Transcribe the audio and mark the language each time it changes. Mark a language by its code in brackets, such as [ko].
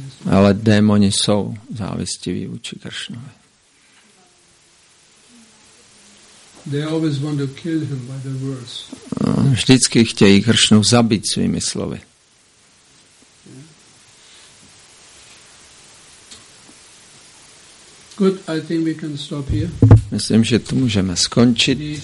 [cs] Ale démoni jsou závistiví vůči Kršnovi. [en] They always want to kill him by their words. [cs] Vždycky chtějí Kršnu zabít svými slovy. [en] Good, I think we can stop here. [cs] Myslím, že tu můžeme skončit.